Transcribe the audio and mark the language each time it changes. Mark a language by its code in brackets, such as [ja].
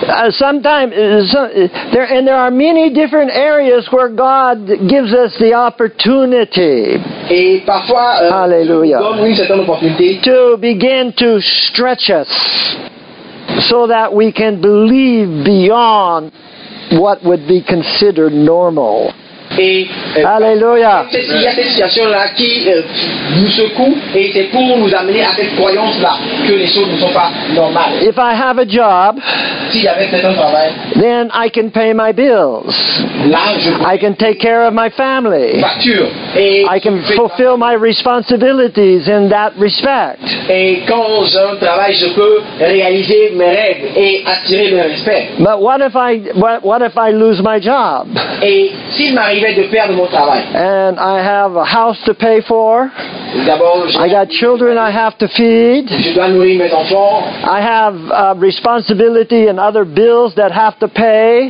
[en] Sometimes, there are many different areas where God gives us the opportunity. [fr] Et parfois, Alléluia. Dieu nous donne une certaine opportunité. [en] To begin to stretch us so that we can believe beyond what would be considered normal. Hallelujah. [fr] Il y a cette situation-là qui nous secoue et c'est pour nous amener à cette croyance-là que les choses ne sont pas normales. [en] If I have a job, [fr] si j'avais un travail, [en] then I can pay my bills. [fr] Là, [en] I can take care of my family. [fr] Facture. Et [en] I can fulfill my responsibilities in that respect. [fr] Et quand j'ai un travail, je peux réaliser mes rêves et attirer le respect. [en] But what if I lose my job? [fr] Et si ma [en] and I have a house to pay for. I got children I have to feed. I have a responsibility and other bills that have to pay.